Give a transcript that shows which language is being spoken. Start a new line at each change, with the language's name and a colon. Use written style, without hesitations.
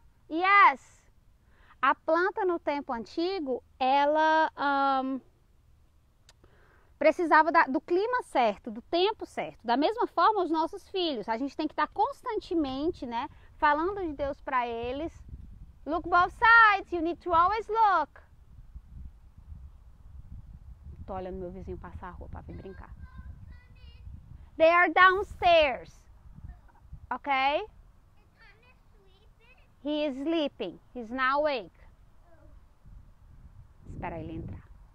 Portuguese: Yes! A planta no tempo antigo, ela precisava do clima certo, do tempo certo. Da mesma forma, os nossos filhos, a gente tem que estar constantemente, né? Falando de Deus para eles.
English: Look both sides, you need to always look.
Portuguese: Tô olhando meu vizinho passar a rua para vir brincar.
English: They are downstairs. Ok? He is sleeping. He's now awake.
Portuguese: Espera ele entrar.